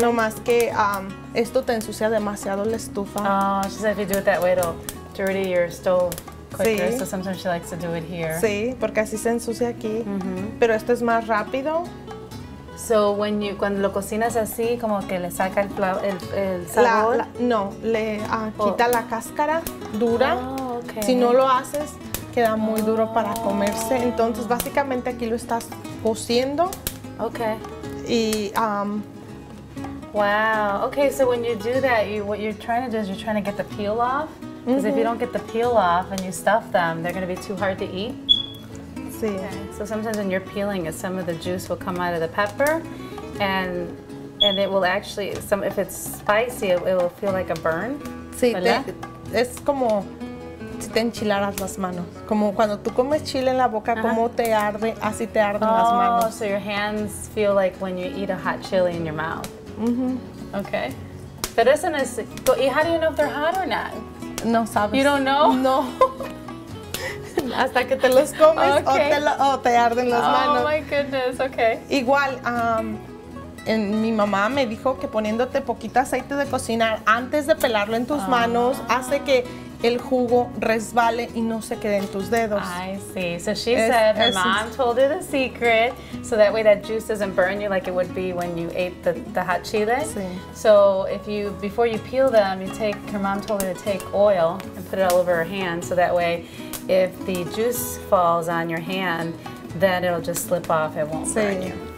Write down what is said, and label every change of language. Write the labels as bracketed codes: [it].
[es] No más que esto te ensucia demasiado la estufa. [en] Oh, she said if you do it that way, it'll dirty your stove. Quicker, sí. So sometimes she likes to do it here. [es] Sí, porque así se ensucia aquí. Pero esto es más rápido. [en] So when you, [es] cuando lo cocinas así, como que le saca el sabor. Quita la cáscara dura. [en] Oh, okay. [es] Si no lo haces, queda muy duro para comerse. Entonces, básicamente aquí lo estás cociendo. [en] Okay. [es] Y, [en] wow. Okay, so when you do that, what you're trying to do is you're trying to get the peel off. Because if you don't get the peel off and you stuff them, they're going to be too hard to eat. [es] Sí. [en] Okay. So sometimes when you're peeling it, some of the juice will come out of the pepper. And it will actually, if it's spicy, it will feel like a burn. [es] Sí, es como si te enchilaras las manos. Como cuando tú comes chile en la boca, como te arde, así te arden las manos. [en] Oh, so your hands feel like when you eat a hot chili in your mouth. Mm-hmm. Okay. [es] Pero eso no es, ¿y [en] how do you know if they're hot or not? [es] No sabes. [en] You don't know? [es] No. Hasta que te los comes o te arden las manos. [en] Oh my goodness, okay. [es] Igual, mi mamá me dijo que poniéndote poquito aceite de cocinar antes de pelarlo en tus manos hace que el jugo resbale y no se quede en tus dedos. [en] I see. So she said her mom told her the secret, so that way that juice doesn't burn you like it would be when you ate the hot chile. [es] Sí. [en] So if you, before you peel them, her mom told her to take oil and put it all over her hand, so that way if the juice falls on your hand, then it'll just slip off, it won't burn you.